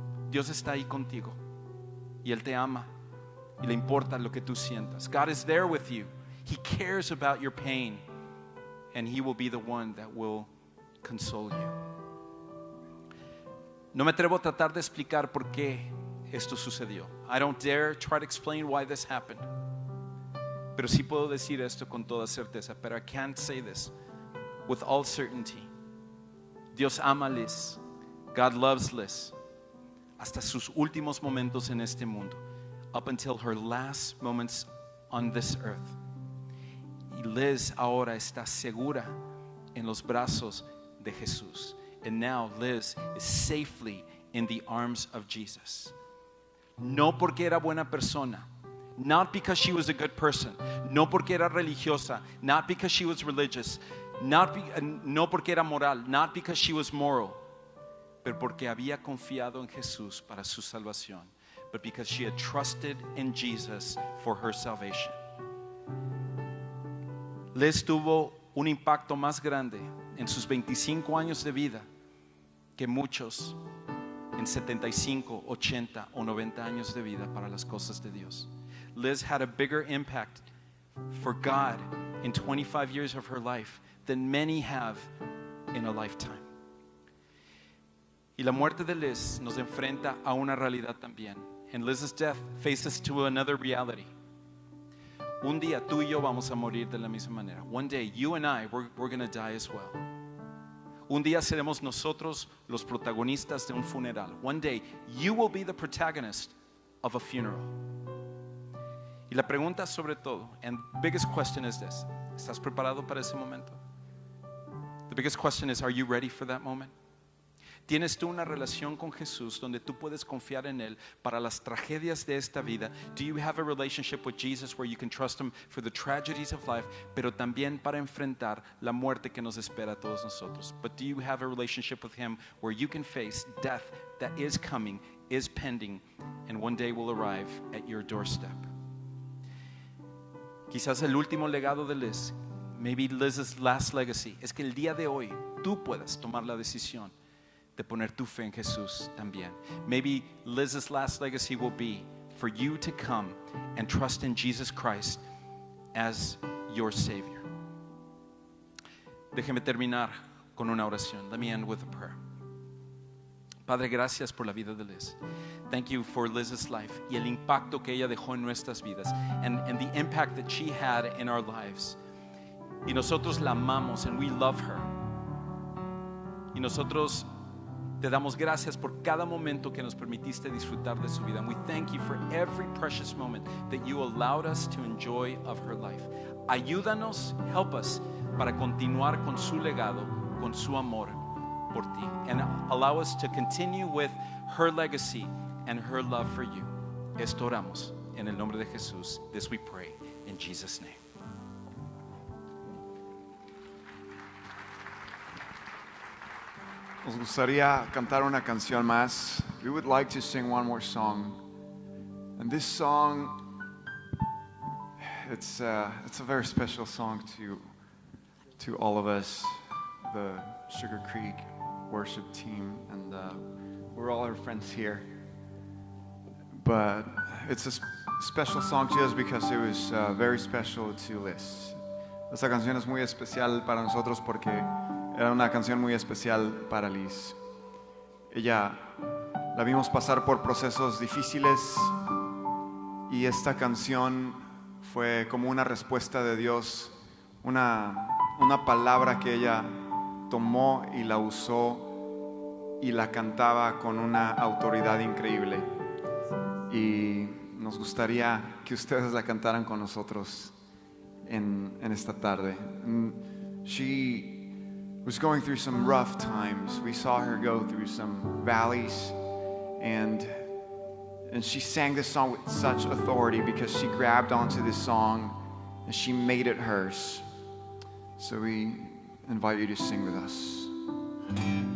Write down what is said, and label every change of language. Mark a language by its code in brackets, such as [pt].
[es] Dios está ahí contigo y Él te ama y le importa lo que tú sientas. [en] God is there with you. He cares about your pain and He will be the one that will console you. [es] No me atrevo a tratar de explicar por qué esto sucedió. [en] I don't dare try to explain why this happened. [es] Pero sí puedo decir esto con toda certeza. [en] But I can't say this with all certainty. [es] Dios ama Liz. [en] God loves Liz. [es] Hasta sus últimos momentos en este mundo. [en] Up until her last moments on this earth. [es] Y Liz ahora está segura en los brazos de Jesús. [en] And now Liz is safely in the arms of Jesus. [es] No porque era buena persona. [en] Not because she was a good person. [es] No porque era religiosa. [en] Not because she was religious. [es] No porque era moral. [en] Not because she was moral. [es] Pero porque había confiado en Jesús para su salvación. [en] But because she had trusted in Jesus for her salvation. [es] Liz tuvo un impacto más grande en sus 25 años de vida que muchos en 75, 80 o 90 años de vida para las cosas de Dios. [en] Liz had a bigger impact for God in 25 years of her life than many have in a lifetime. [es] Y la muerte de Liz nos enfrenta a una realidad también. [en] And Liz's death faces to another reality. [es] Un día tú y yo vamos a morir de la misma manera. [en] One day you and I, we're going to die as well. [es] Un día seremos nosotros los protagonistas de un funeral. [en] One day you will be the protagonist of a funeral. [es] Y la pregunta sobre todo, [en] and the biggest question is this, [es] ¿estás preparado para ese momento? [en] The biggest question is, are you ready for that moment? [es] ¿Tienes tú una relación con Jesús donde tú puedes confiar en Él para las tragedias de esta vida? [en] Do you have a relationship with Jesus where you can trust Him for the tragedies of life, [es] pero también para enfrentar la muerte que nos espera a todos nosotros? [en] But do you have a relationship with Him where you can face death that is coming, is pending, and one day will arrive at your doorstep? [es] Quizás el último legado de Liz, [en] maybe Liz's last legacy, [es] es que el día de hoy tú puedas tomar la decisión de poner tu fe en Jesús también. [en] Maybe Liz's last legacy will be for you to come and trust in Jesus Christ as your Savior. [es] Déjeme terminar con una oración. [en] Let me end with a prayer. [es] Padre, gracias por la vida de Liz. [en] Thank you for Liz's life [es] y el impacto que ella dejó en nuestras vidas [en] and the impact that she had in our lives. [es] Y nosotros la amamos [en] and we love her. [es] Y nosotros te damos gracias por cada momento que nos permitiste disfrutar de su vida. [en] And we thank you for every precious moment that you allowed us to enjoy of her life. [es] Ayúdanos, [en] help us, [es] para continuar con su legado, con su amor por ti. [en] And allow us to continue with her legacy and her love for you. [es] Esto oramos en el nombre de Jesús. [en] This we pray in Jesus' name. [es] Nos gustaría cantar una canción más. [en] We would like to sing one more song. And this song, it's a very special song to all of us, the Sugarcreek worship team, and we're all her friends here. But it's a special song just because it was very special to Liz. [es] Esta canción es muy especial para nosotros porque era una canción muy especial para Liz. Ella la vimos pasar por procesos difíciles y esta canción fue como una respuesta de Dios, una palabra que ella tomó y la usó y la cantaba con una autoridad increíble. Y nos gustaría que ustedes la cantaran con nosotros en esta tarde. [en] She was going through some rough times. We saw her go through some valleys, and she sang this song with such authority because she grabbed onto this song and she made it hers. So we invite you to sing with us.